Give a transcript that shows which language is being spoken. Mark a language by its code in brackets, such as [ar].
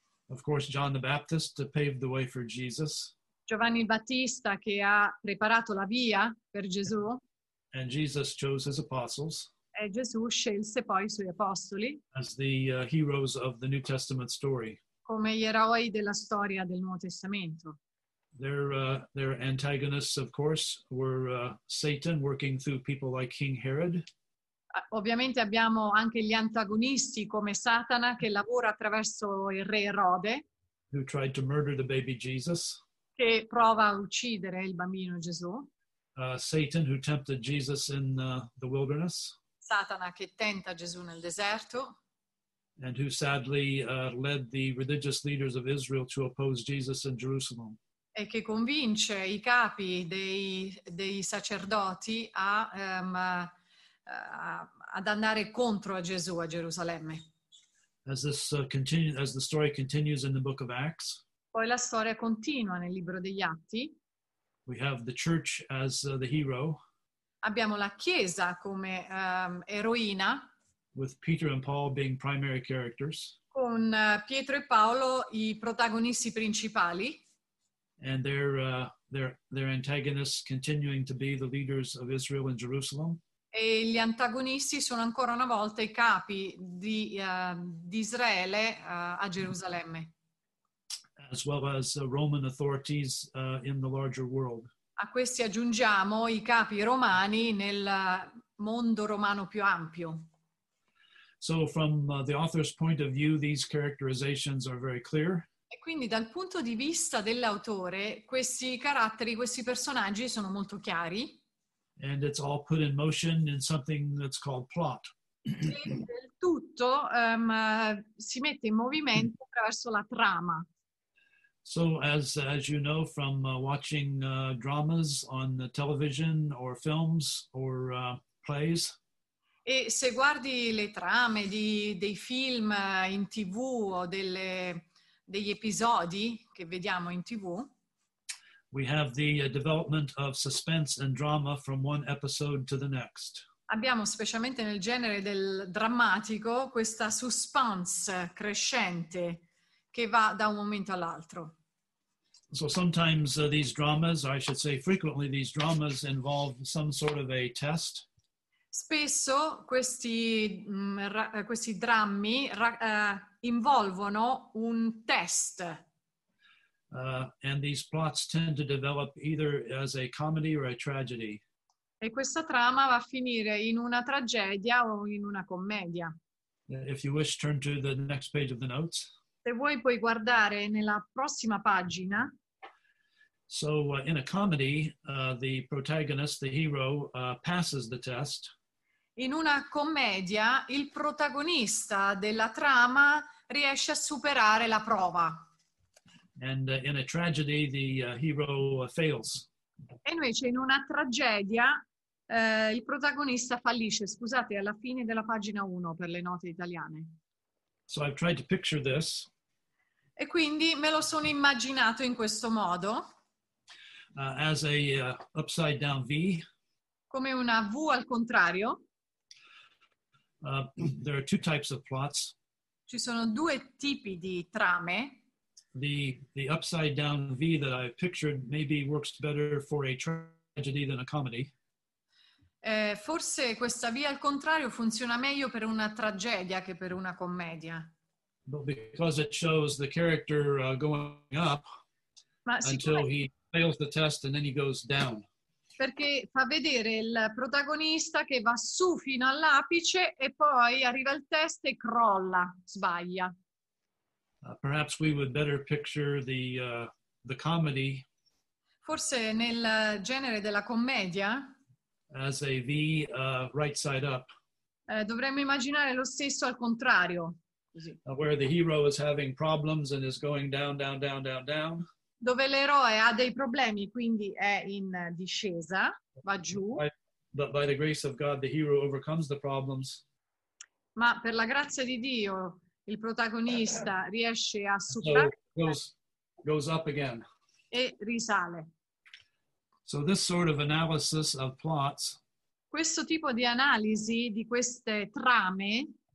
[en] Of course, John the Baptist paved the way for Jesus. [it] Giovanni il Battista che ha preparato la via per Gesù. [en] And Jesus chose his apostles. [it] E Gesù scelse poi i suoi apostoli. [en] As the heroes of the New Testament story. [it] Come gli eroi della storia del Nuovo Testamento. [en] Their antagonists, of course, were Satan working through people like King Herod. [it] Ovviamente abbiamo anche gli antagonisti come Satana che lavora attraverso il re Erode. [en] Who tried to murder the baby Jesus. [it] Che prova a uccidere il bambino Gesù. [en] Satan who tempted Jesus in the wilderness. [it] Satana che tenta Gesù nel deserto. [en] And who sadly led the religious leaders of Israel to oppose Jesus in Jerusalem. [it] E che convince i capi dei sacerdoti ad andare contro a Gesù a Gerusalemme. [en] As this as the story continues in the book of Acts. [it] Poi la storia continua nel libro degli Atti. [en] We have the church as the hero. [it] Abbiamo la chiesa come eroina. [en] With Peter and Paul being primary characters. [it] Con Pietro e Paolo i protagonisti principali. [en] And their antagonists continuing to be the leaders of Israel in Jerusalem. [it] E gli antagonisti sono ancora una volta i capi di Israele a Gerusalemme. [en] As well as Roman authorities in the larger world. [it] A questi aggiungiamo i capi romani nel mondo romano più ampio. [en] So from the author's point of view, these characterizations are very clear. [it] E quindi dal punto di vista dell'autore, questi caratteri, questi personaggi sono molto chiari. [en] And it's all put in motion in something that's called plot. [it] Tutto si mette in movimento attraverso la trama. [en] So as you know from watching dramas on the television or films or plays. [it] E se guardi le trame di, dei film in TV o delle, degli episodi che vediamo in TV, [en] we have the development of suspense and drama from one episode to the next. [it] Abbiamo specialmente nel genere del drammatico questa suspense crescente che va da un momento all'altro. [en] So sometimes these dramas, or I should say frequently these dramas involve some sort of a test. [it] Spesso questi questi drammi involvono un test. [en] And these plots tend to develop either as a comedy or a tragedy. [it] E questa trama va a finire in una tragedia o in una commedia. [en] If you wish, turn to the next page of the notes. [it] Se vuoi puoi guardare nella prossima pagina. [en] So in a comedy, the protagonist, the hero, passes the test. [it] In una commedia, il protagonista della trama riesce a superare la prova. [en] And in a tragedy, the hero fails. [it] E invece in una tragedia, il protagonista fallisce. Scusate, alla fine della pagina 1 per le note italiane. [en] So I've tried to picture this. [it] E quindi me lo sono immaginato in questo modo. [en] As a upside down V. [it] Come una V al contrario. [en] There are two types of plots. [it] Ci sono due tipi di trame. [en] The upside down V that I pictured maybe works better for a tragedy than a comedy. [it] Forse questa V al contrario funziona meglio per una tragedia che per una commedia. [en] But because it shows the character going up until he fails the test and then he goes down. [it] Perché fa vedere il protagonista che va su fino all'apice e poi arriva al test e crolla, sbaglia. [en] Perhaps we would better picture the comedy. [it] Forse nel genere della commedia. [en] As a V right side up. [it] Dovremmo immaginare lo stesso al contrario. Così. [en] Where the hero is having problems and is going down, down, down, down, down. [it] Dove l'eroe ha dei problemi, quindi è in discesa, va giù. [en] But by the grace of God, the hero overcomes the problems. [it] Ma per la grazia di Dio, il protagonista riesce a superare. [en] Goes up again. [it] E risale. [en] So this sort of analysis of plots. [it] Questo tipo di analisi di queste trame.